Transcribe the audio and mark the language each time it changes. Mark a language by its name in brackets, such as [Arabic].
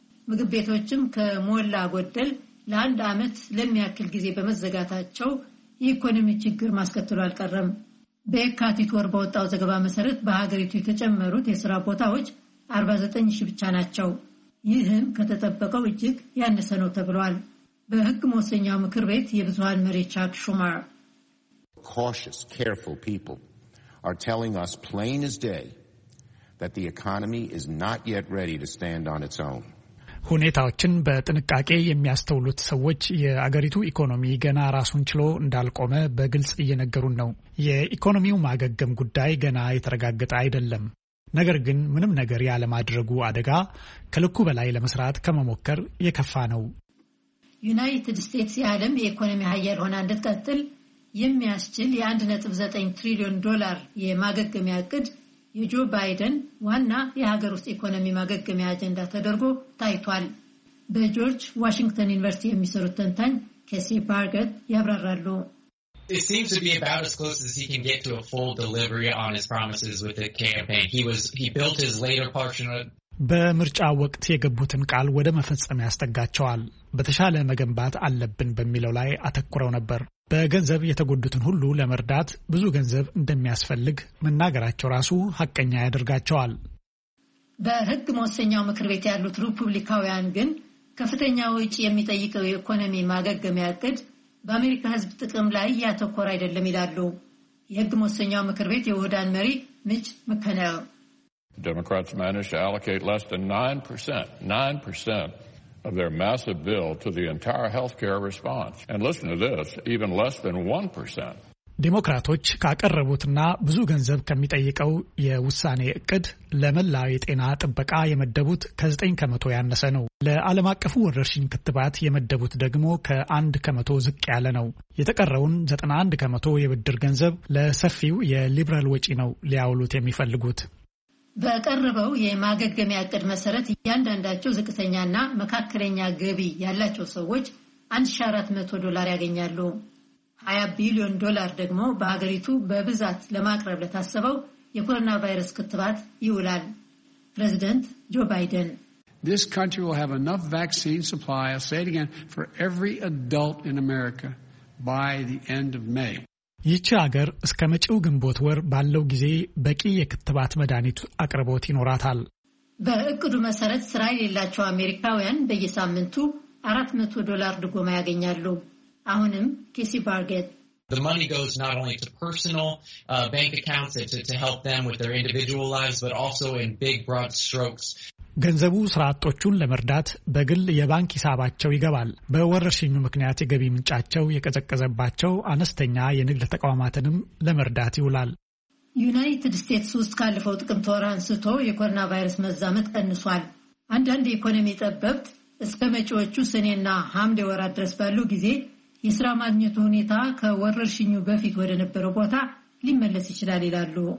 [Amharic] ምግብ ቤቶችም ከሞላ ጎደል ለአንድ ዓመት ለሚያክል ጊዜ በመዘጋታቸው የኢኮኖሚ ችግር ማስከትሉ አልቀረም። በየካቲት ወር በወጣው ዘገባ መሰረት በሀገሪቱ የተጨመሩት የስራ ቦታዎች 49,000 ብቻ ናቸው። ይህም ከተጠበቀው እጅግ ያነሰ ነው ተብሏል። በሕግ መወሰኛው ምክር ቤት የብዙሃን መሪ ቻክ ሹመር [English] cautious, careful people are telling us plain as day that the economy is not yet ready to stand on its own. [Amharic] ሁኔታዎችን በጥንቃቄ የሚያስተውሉት ሰዎች የአገሪቱ ኢኮኖሚ ገና ራሱን ችሎ እንዳልቆመ በግልጽ እየነገሩን ነው። የኢኮኖሚው ማገገም ጉዳይ ገና የተረጋገጠ አይደለም። ነገር ግን ምንም ነገር ያለማድረጉ አደጋ ከልኩ በላይ ለመስራት ከመሞከር የከፋ ነው። ዩናይትድ ስቴትስ የዓለም የኢኮኖሚ ሀያል ሆና እንድትቀጥል የሚያስችል የ1.9 ትሪሊዮን ዶላር የማገገሚያ እቅድ የጆ ባይደን ዋና የሀገር ውስጥ ኢኮኖሚ ማገገሚያ አጀንዳ ተደርጎ ታይቷል። በጆርጅ ዋሽንግተን ዩኒቨርሲቲ የሚሰሩት ተንታኝ ኬሲ ባርገት ያብራራሉ። [English] It seems to be about as close as he can get to a full delivery on his promises with the campaign. He built his later portion of [Amharic] በምርጫ ወቅት የገቡትን ቃል ወደ መፈጸም ያስተጋቸዋል። በተሻለ መገንባት አለብን በሚለው ላይ አተኩረው ነበር። በገንዘብ የተጎዱትን ሁሉ ለመርዳት ብዙ ገንዘብ እንደሚያስፈልግ መናገራቸው ራሱ ሐቀኛ ያደርጋቸዋል። በሕግ መወሰኛው ምክር ቤት ያሉት ሪፑብሊካውያን ግን ከፍተኛ ወጪ የሚጠይቀው የኢኮኖሚ ማገገሚያ እቅድ በአሜሪካ ሕዝብ ጥቅም ላይ ያተኮረ አይደለም ይላሉ። የሕግ መወሰኛው ምክር ቤት የውህዳን መሪ ሚች መከነል [English] Democrats managed to allocate less than 9% of their massive bill to the entire healthcare response. And listen to this, even less than 1%. [Amharic] ዲሞክራቶች ካቀረቡትና ብዙ ገንዘብ ከመጠየቀው የውሳኔ እቅድ ለመላው የጤና ጥበቃ የመደቡት ከ9% ያነሰ ነው። ለዓለም አቀፉ ወረርሽኝ ክትባት የመደቡት ደግሞ ከ1% ዝቅ ያለ ነው። የተቀረውን 91% የብድር ገንዘብ ለሰፊው የሊበራል ወጪ ነው ሊያውሉት የሚፈልጉት። በቀረበው የማገገሚያ እቅድ መሰረት እያንዳንዳቸው ዝቅተኛና መካከለኛ ገቢ ያላቸው ሰዎች $1,400 ያገኛሉ። $20 ቢሊዮን ደግሞ በሀገሪቱ በብዛት ለማቅረብ ለታሰበው የኮሮና ቫይረስ ክትባት ይውላል። ፕሬዚደንት ጆ ባይደን [English] This country will have enough vaccine supply, I'll say it again, for every adult in America by the end of May. [Amharic] ይቺ ሀገር እስከ መጪው ግንቦት ወር ባለው ጊዜ በቂ የክትባት መድኃኒት አቅርቦት ይኖራታል። በእቅዱ መሰረት ስራ የሌላቸው አሜሪካውያን በየሳምንቱ $400 ድጎማ ያገኛሉ። አሁንም ኬሲ ባርጌት [English] The money goes not only to personal bank accounts to help them with their individual lives but also in big broad strokes. [Amharic] ገንዘቡ ስራ አጦቹን ለመርዳት በግል የባንክ ሂሳባቸው ይገባል። በወረርሽኙ ምክንያት የገቢ ምንጫቸው የቀዘቀዘባቸው አነስተኛ የንግድ ተቋማትንም ለመርዳት ይውላል። ዩናይትድ ስቴትስ ውስጥ ካለፈው ጥቅምት ወር አንስቶ የኮሮና ቫይረስ መዛመት ቀንሷል። አንዳንድ የኢኮኖሚ ጠበብት እስከ መጪዎቹ ሰኔና ሐምሌ ወራት ድረስ ባለው ጊዜ የስራ ማግኘት ሁኔታ ከወረርሽኙ በፊት ወደ ነበረው ቦታ ሊመለስ ይችላል ይላሉ።